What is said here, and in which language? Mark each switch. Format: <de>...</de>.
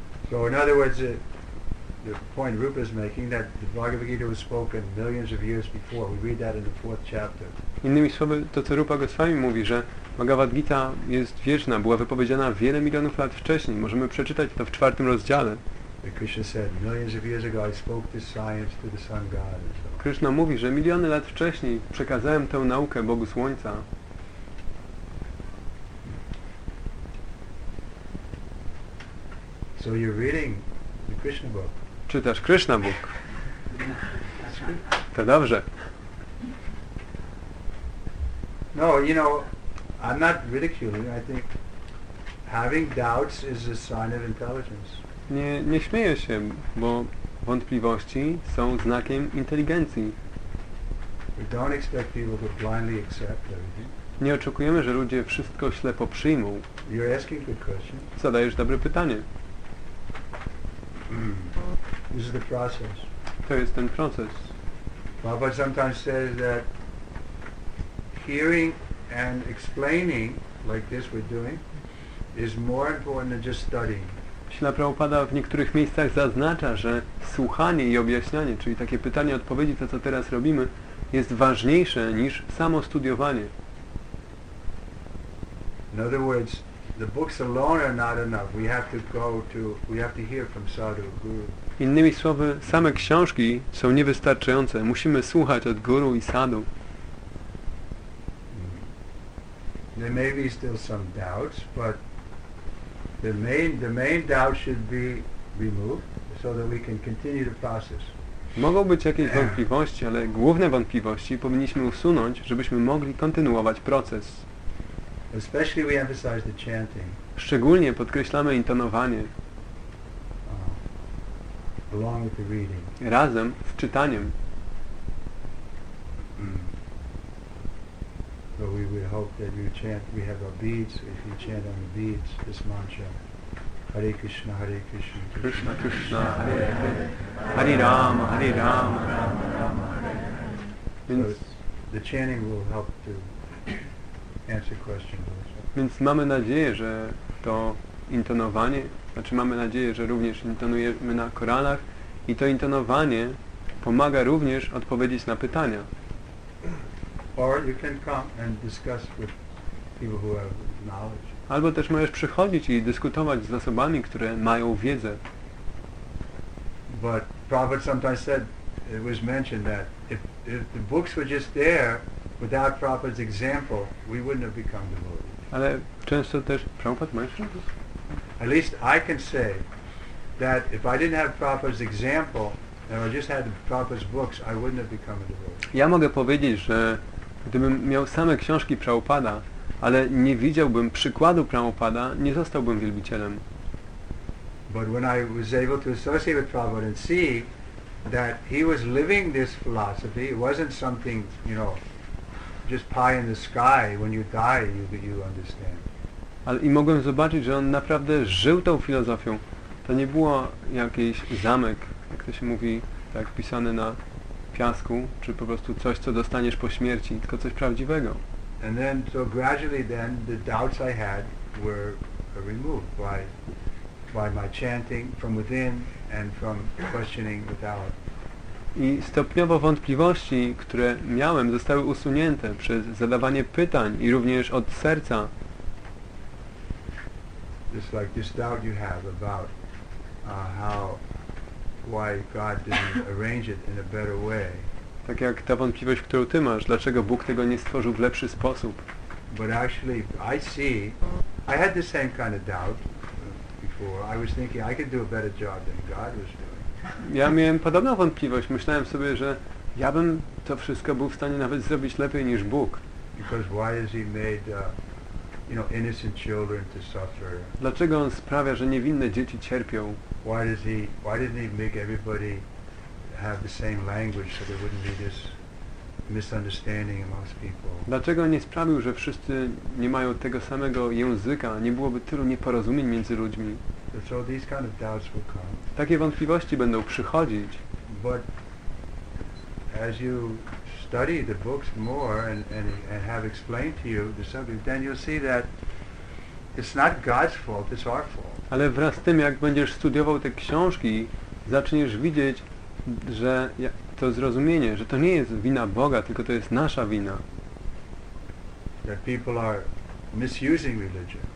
<en>So in other words, the point Rupa is making, that the Bhagavad Gita was spoken millions of years before. We read that in the fourth chapter.</en> <pl>Innymi słowy, to co Rupa Goswami mówi, że Bhagavad Gita jest wieczna, była wypowiedziana wiele milionów lat wcześniej. Możemy przeczytać to w czwartym rozdziale.</pl> <en>Krishna said, millions of years ago I spoke this science to the sun god.</en> <pl>Krishna mówi, że miliony lat wcześniej przekazałem tę naukę Bogu Słońca.</pl> <en>So you're reading the Krishna book.</en> <pl>Czytasz Krishna book. To dobrze.</pl> <en>No, you know, I'm not ridiculing. I think having doubts is a sign of intelligence.</en> <pl>Nie śmieję się, bo wątpliwości są znakiem inteligencji.</pl> <en>We don't expect people to blindly accept everything.</en> <pl>Nie oczekujemy, że ludzie wszystko ślepo przyjmą.</pl> <en>You're asking good question.</en> <pl>Zadajesz dobre pytanie.</pl> <en>This is the process.</en> <pl>To jest ten proces.</pl> <en>Prabhupada sometimes says that hearing and explaining like this we're doing is more important than just studying.</en> <pl>Śla Prabhupada w niektórych miejscach zaznacza, że słuchanie i objaśnianie, czyli takie pytanie i odpowiedzi, to co teraz robimy, jest ważniejsze niż samo studiowanie.</pl> <en>In other words, the books alone are not enough. We have to go to, we have to hear from sadhu guru.</en> <pl>Innymi słowy, same książki są niewystarczające. Musimy słuchać od guru i sadhu.</pl> <en>There may be still some doubts, but the main doubt should be removed so that we can continue the process.</en> <pl>Mogą być jakieś wątpliwości, ale główne wątpliwości powinniśmy usunąć, żebyśmy mogli kontynuować proces.</pl> <en>Especially we emphasize the chanting.</en> <pl>Szczególnie podkreślamy intonowanie.</pl> <en>Along with the reading.</en> <pl>Razem z czytaniem.</pl> <en>So we will hope that you chant, we have our beads, if you chant on the beads, this mantra.</en> <sa>Hare Krishna, Hare Krishna, Krishna Krishna, Hare Hare, Hare Rama, Hare Rama, Rama Rama, Hare Hare.</sa> <en>So the chanting will help to answer questions also.</en> <pl>Więc mamy nadzieję, że to intonowanie, znaczy mamy nadzieję, że również intonujemy na koralach i to intonowanie pomaga również odpowiedzieć na pytania.</pl> <en>Or you can come and discuss with people who have knowledge.</en> <pl>Albo też możesz przychodzić i dyskutować z osobami, które mają wiedzę.</pl> <en>But Prabhupada sometimes said, it was mentioned that if the books were just there without Prabhupada's example, we wouldn't have become devotees.</en> <pl>Ale często też Prabhupada</pl> <en>mentioned this. At least I can say that if I didn't have Prabhupada's example and I just had the Prabhupada's books, I wouldn't have become a devotee.</en> <pl>Ja mogę powiedzieć, że gdybym miał same książki Prabhupada, ale nie widziałbym przykładu Prabhupada, nie zostałbym wielbicielem.</pl> <en>But when I was able to associate with Prabhupada and see that he was living this philosophy, it wasn't something, you know, just pie in the sky, when you die you understand.</en> <pl>Ale i mogłem zobaczyć, że on naprawdę żył tą filozofią. To nie było jakiś zamek, jak to się mówi, tak pisany na piasku, czy po prostu coś, co dostaniesz po śmierci, tylko coś prawdziwego.</pl> <en>And then, so gradually then, the doubts I had were removed by my chanting from within and from questioning without.</en> <pl>I stopniowo wątpliwości, które miałem, zostały usunięte przez zadawanie pytań i również od serca.</pl> <en>Just like this doubt you have about how, why God didn't arrange it in a better way.</en> <pl>Tak jak ta wątpliwość, którą ty masz, dlaczego Bóg tego nie stworzył w lepszy sposób.</pl> <en>But actually, I see, I had the same kind of doubt before. I was thinking I could do a better job than God was doing.</en> <pl>Ja miałem podobną wątpliwość. Myślałem sobie, że ja bym to wszystko był w stanie nawet zrobić lepiej niż Bóg.</pl> <en>Because why has he made, you know, innocent children to suffer?</en> <pl>Dlaczego on sprawia, że niewinne dzieci cierpią?</pl> <en>Why does he, why didn't he make everybody have the same language so there wouldn't be this misunderstanding amongst people?</en> <pl>Dlaczego nie sprawił, że wszyscy nie mają tego samego języka, nie byłoby tylu nieporozumień między ludźmi?</pl> <en>So these kind of doubts will come.</en> <pl>Takie wątpliwości będą przychodzić.</pl> <en>But as you study the books more and have explained to you the subject, then you'll see that it's not God's fault, it's our fault.</en> <pl>Ale wraz z tym, jak będziesz studiował te książki, zaczniesz widzieć, że to zrozumienie, że to nie jest wina Boga, tylko to jest nasza wina.</pl> <en>That people are misusing religion.</en>